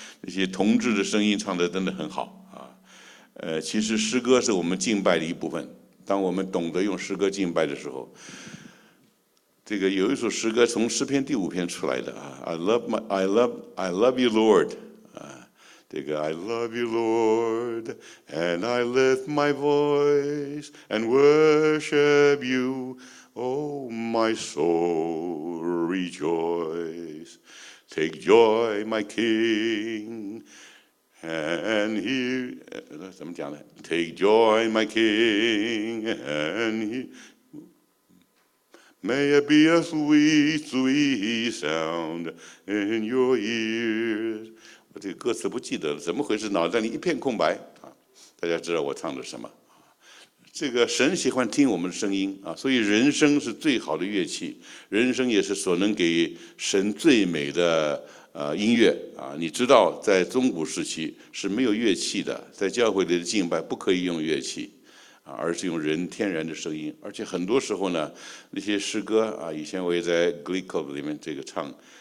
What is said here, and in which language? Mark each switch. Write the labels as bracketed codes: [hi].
[zh] 那些同志的声音唱得真的很好啊。其实诗歌是我们敬拜的一部分，当我们懂得用诗歌敬拜的时候，这个有一首诗歌从诗篇第5篇出来的啊， [en] I love you, Lord。 [zh] 这个 [en] I love you, Lord, and I lift my voice and worship you, oh my soul, rejoice, take joy, my King, and hear [zh] 怎么讲呢？ [en] Take joy, my King, and hear May it be a sweet, sweet sound in your ears。 [zh] 我这个歌词不记得了，怎么回事？脑袋里一片空白啊！大家知道我唱的什么？这个神喜欢听我们的声音啊，所以人声是最好的乐器，人声也是所能给神最美的音乐啊！你知道，在中古时期是没有乐器的，在教会里的敬拜不可以用乐器啊，而是用人天然的声音，而且很多时候呢，那些诗歌啊，以前我也在 Glee Club 里面这个唱。